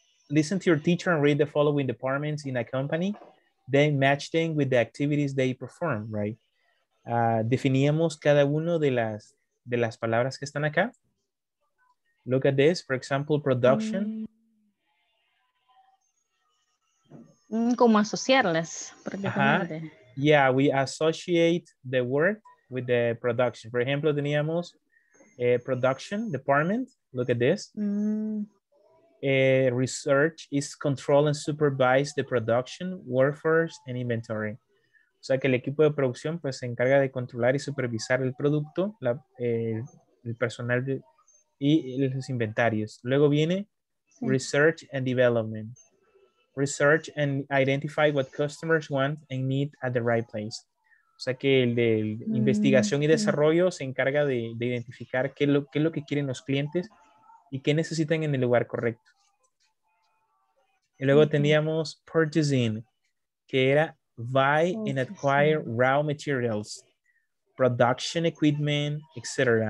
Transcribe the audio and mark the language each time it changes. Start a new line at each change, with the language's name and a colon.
English: Listen to your teacher and read the following departments in a company. Then match them with the activities they perform, right?
Spanish: Definíamos cada uno de las palabras que están acá.
English: Look at this, for example, production.
Spanish: Como asociarlas. Uh-huh.
English: Yeah, we associate the word with the production.
Spanish: Por ejemplo, teníamos a
English: production department. Look at this. Research is control and supervise the production, workforce, and inventory.
Spanish: O sea que el equipo de producción pues se encarga de controlar y supervisar el producto, el personal y los inventarios. Luego viene
English: research and development. Research and identify what customers want and need at the right place.
Spanish: O sea que el de investigación y desarrollo se encarga de identificar qué es lo que quieren los clientes y qué necesitan en el lugar correcto. Y luego teníamos
English: purchasing,
Spanish: que era
English: buy and acquire raw materials, production equipment, etc.